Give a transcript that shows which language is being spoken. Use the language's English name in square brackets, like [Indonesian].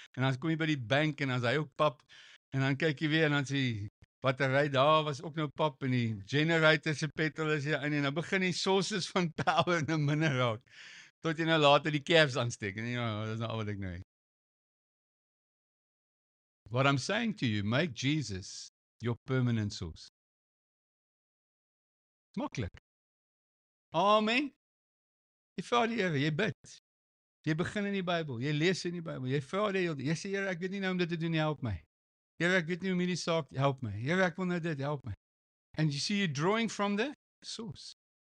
[Afrikaans] En dan kom jy by die bank en dan is hy ook pap. En dan kyk jy weer en dan sê battery daar was ook nou pap en die generator se petrol is hier in en nou begin die sources van power in 'n minder raak. Tot jy nou later die caps aansteek en ja, dis nou al wat ek nou het. [English] What I'm saying to you, make Jesus your permanent source. [Afrikaans] Maklik. Amen. Jy vra die Here, jy bid. Jy begin in die Bybel, jy lees in die Bybel, jy vra die Here, Jesus Here, ek weet nie nou om dit te doen nie, help my. Here, ek weet nie hoe hierdie saak help my. Here, ek wil nou dit, help my. [English] And you see you drawing from the source.